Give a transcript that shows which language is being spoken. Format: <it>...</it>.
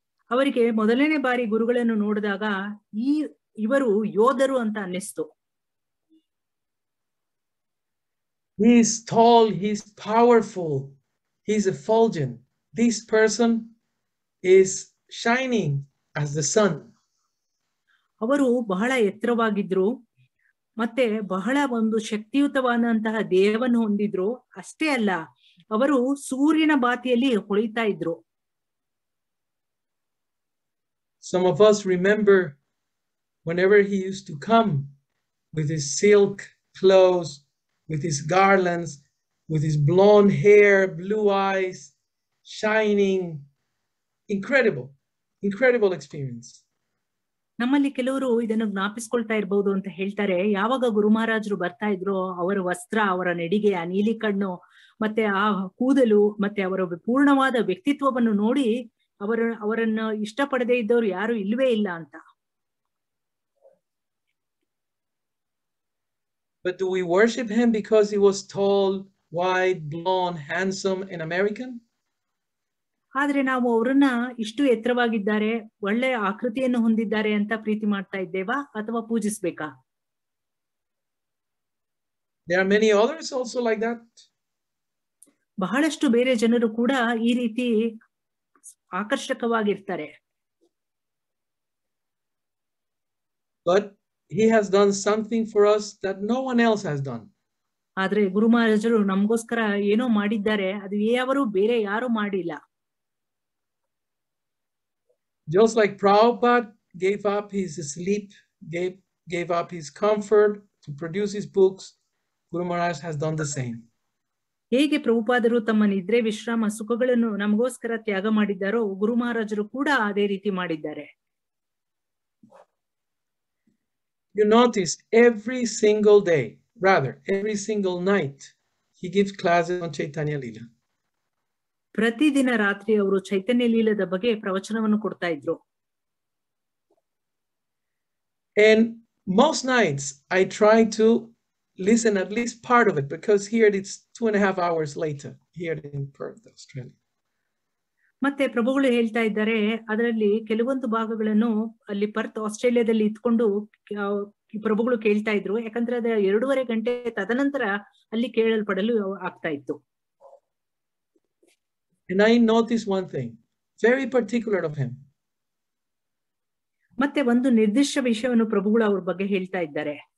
<kn>ಅವರಿಗೆ ಮೊದಲನೇ ಬಾರಿ ಗುರುಗಳನ್ನು ನೋಡಿದಾಗ ಈ ಇವರು ಯೋಧರು ಅಂತ ಅನ್ನಿಸ್ತು.</kn> <en>He is tall, he is powerful, he is effulgent. This person is shining as the sun.</en> <kn>ಅವರು ಬಹಳ ಎತ್ತರವಾಗಿದ್ರು ಮತ್ತೆ ಬಹಳ ಒಂದು ಶಕ್ತಿಯುತವಾದಂತಹ ದೇವನ್ನು ಹೊಂದಿದ್ರು. ಅಷ್ಟೇ ಅಲ್ಲ, ಅವರು ಸೂರ್ಯನ ಬಾತಿಯಲ್ಲಿ ಹೊಳಿತಾ ಇದ್ರು.</kn> <en>Some of us remember whenever he used to come with his silk clothes, with his garlands, with his blonde hair, blue eyes, shining. Incredible, incredible experience.</en> <kn>ನಮ್ಮಲ್ಲಿ ಕೆಲವರು ಇದನ್ನು ಜ್ಞಾಪಿಸ್ಕೊಳ್ತಾ ಇರಬಹುದು ಅಂತ ಹೇಳ್ತಾರೆ. ಯಾವಾಗ ಗುರು ಮಹಾರಾಜರು ಬರ್ತಾ ಇದ್ರು, ಅವರ ವಸ್ತ್ರ, ಅವರ ನಡಿಗೆ, ಆ ನೀಲಿ ಕಣ್ಣು, ಮತ್ತೆ ಆ ಕೂದಲು, ಮತ್ತೆ ಅವರ ಪೂರ್ಣವಾದ ವ್ಯಕ್ತಿತ್ವವನ್ನು ನೋಡಿ ಅವರನ್ನು ಇಷ್ಟಪಡದೇ ಇದ್ದವರು ಯಾರು ಇಲ್ವೇ ಇಲ್ಲ ಅಂತ.</kn> <en>But do we worship him because he was tall, wide, blonde, handsome, and American?</en> <kn>ಆದ್ರೆ ನಾವು ಅವರನ್ನ ಇಷ್ಟು ಎತ್ತರವಾಗಿದ್ದಾರೆ, ಒಳ್ಳೆ ಆಕೃತಿಯನ್ನು ಹೊಂದಿದ್ದಾರೆ ಅಂತ ಪ್ರೀತಿ ಮಾಡ್ತಾ ಇದ್ದೇವಾ ಅಥವಾ ಪೂಜಿಸ್ಬೇಕಾ?</kn> <en>There are many others also like that.</en> <kn>ಬಹಳಷ್ಟು ಬೇರೆ ಜನರು ಕೂಡ ಈ ರೀತಿ ಆಕರ್ಷಕವಾಗಿರ್ತಾರೆ.</kn> <en>But he has done something for us that no one else has done.</en> <kn>ಆದ್ರೆ ಗುರು ಮಹಾರಾಜರು ನಮಗೋಸ್ಕರ ಏನೋ ಮಾಡಿದ್ದಾರೆ, ಅದು ಯಾರು ಬೇರೆ ಯಾರು ಮಾಡಿಲ್ಲ.</kn> <en>Just like Prabhupada gave up his sleep, gave up his comfort to produce his books, Guru Maharaj has done the same.</en> <kn>ಹೇಗೆ ಪ್ರಭುಪಾದರು ತಮ್ಮ ನಿದ್ರೆ, ವಿಶ್ರಾಮ, ಸುಖಗಳನ್ನು ನಮಗೋಸ್ಕರ ತ್ಯಾಗ ಮಾಡಿದ್ದಾರೋ ಗುರು ಮಹಾರಾಜರು ಕೂಡ ಅದೇ ರೀತಿ ಮಾಡಿದ್ದಾರೆ.</kn> <en>You notice every single day, rather every single night, he gives classes on Chaitanya Leela.</en> <kn>ಪ್ರತಿದಿನ ರಾತ್ರಿ ಅವರು ಚೈತನ್ಯ ಲೀಲದ ಬಗ್ಗೆ ಪ್ರವಚನವನ್ನು ಕೊಡ್ತಾ ಇದ್ರು.</kn> <en>And most nights I try to listen at least part of it because here it's 2.5 hours later here in Perth, Australia.</en> <kn>ಮತ್ತೆ ಪ್ರಭುಗಳು ಹೇಳ್ತಾ ಇದ್ದಾರೆ ಅದರಲ್ಲಿ ಕೆಲವೊಂದು ಭಾಗಗಳನ್ನು ಅಲ್ಲಿ ಪರ್ತ್ ಆಸ್ಟ್ರೇಲಿಯಾದಲ್ಲಿ ಇದ್ಕೊಂಡು ಪ್ರಭುಗಳು ಕೇಳ್ತಾ ಇದ್ರು. ಯಾಕಂದ್ರೆ ಅದ 2.5 ಗಂಟೆ ತದನಂತರ ಅಲ್ಲಿ ಕೇಳಲ್ಪಡಲು ಆಗ್ತಾ ಇತ್ತು.</kn> <en>And I noticed one thing, very particular of him.</en> <kn>ಮತ್ತೆ ಒಂದು ನಿರ್ದಿಷ್ಟ ವಿಷಯವನ್ನು ಪ್ರಭುಗಳು ಅವ್ರ ಬಗ್ಗೆ ಹೇಳ್ತಾ ಇದ್ದಾರೆ.</kn>